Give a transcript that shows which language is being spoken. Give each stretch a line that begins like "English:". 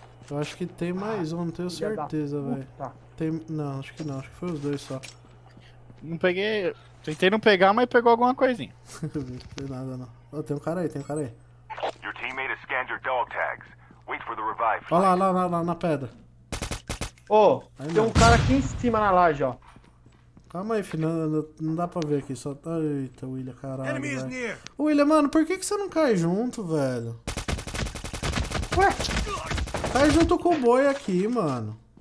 Portuguese: Eu acho que tem mais um, não tenho certeza, velho. Tem... Não, acho que não, acho que foi os dois só. Não peguei. Tentei não pegar, mas pegou alguma coisinha. Não tem nada não. Oh, tem um cara aí, tem um cara aí.
English: Your teammate has scanned your dog tags. Wait for the revive.
Portuguese: Olha lá, lá na pedra. Ô, oh, tem um cara aqui em cima na laje, ó. Calma aí, filho. Não dá pra ver aqui. Só... Eita, William, caralho.
English: Enemy is near.
Portuguese: William, mano, por que você não cai junto, velho? Ué? Cai junto com o boi aqui, mano.